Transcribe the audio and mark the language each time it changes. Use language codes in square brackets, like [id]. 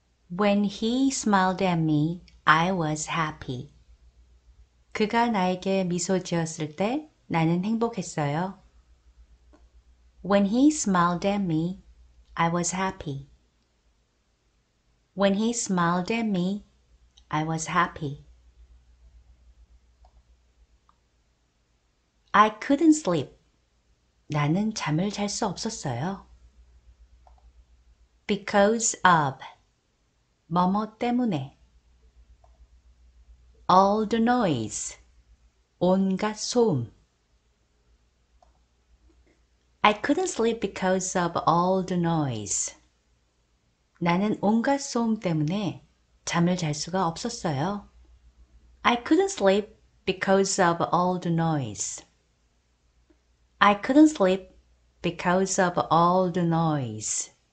[en] When he smiled at me, I was happy. [ko] 그가 나에게 미소 지었을 때 나는 행복했어요. [en] When he smiled at me, I was happy. When he smiled at me, I was happy. I couldn't sleep. [ko] 나는 잠을 잘 수 없었어요. [en] Because of [ko] 뭐뭐 때문에 [en] All the noise [ko] 온갖 소음 [en] I couldn't sleep because of all the noise. [ko] 나는 온갖 소음 때문에 잠을 잘 수가 없었어요. [en] I couldn't sleep because of all the noise. I couldn't sleep because of all the noise.